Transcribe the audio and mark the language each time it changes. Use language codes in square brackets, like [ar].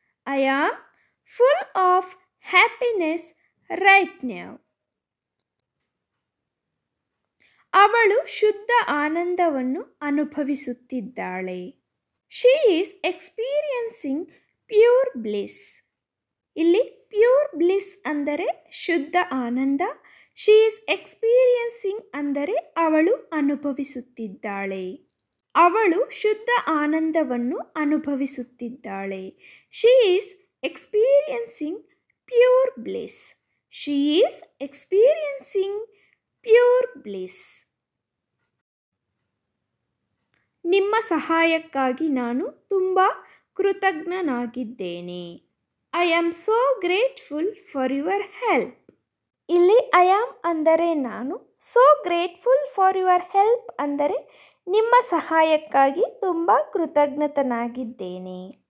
[en] I am full of happiness right now. [kn] ಅವಳು ಶುದ್ಧ ಆನಂದವನ್ನು ಅನುಭವಿಸುತ್ತಿದ್ದಾಳೆ. [en] She is experiencing pure bliss. [kn] ಇಲ್ಲಿ [en] pure bliss [kn] ಅಂದರೆ ಶುದ್ಧ ಆನಂದ. [en] She is experiencing [kn] ಅಂದರೆ ಅವಳು ಅನುಭವಿಸುತ್ತಿದ್ದಾಳೆ. ಅವಳು ಶುದ್ಧ ಆನಂದವನ್ನು ಅನುಭವಿಸುತ್ತಿದ್ದಾಳೆ. [en] She is experiencing pure bliss. She is experiencing pure bliss. [kn] ನಿಮ್ಮ ಸಹಾಯಕ್ಕಾಗಿ ನಾನು ತುಂಬ ಕೃತಜ್ಞನಾಗಿದ್ದೇನೆ. [en] I am so grateful for your help. [kn] ಇಲ್ಲಿ [en] I am [kn] ಅಂದರೆ ನಾನು, [en] so grateful for your help [kn] ಅಂದರೆ ನಿಮ್ಮ ಸಹಾಯಕ್ಕಾಗಿ ತುಂಬ ಕೃತಜ್ಞತನಾಗಿದ್ದೇನೆ.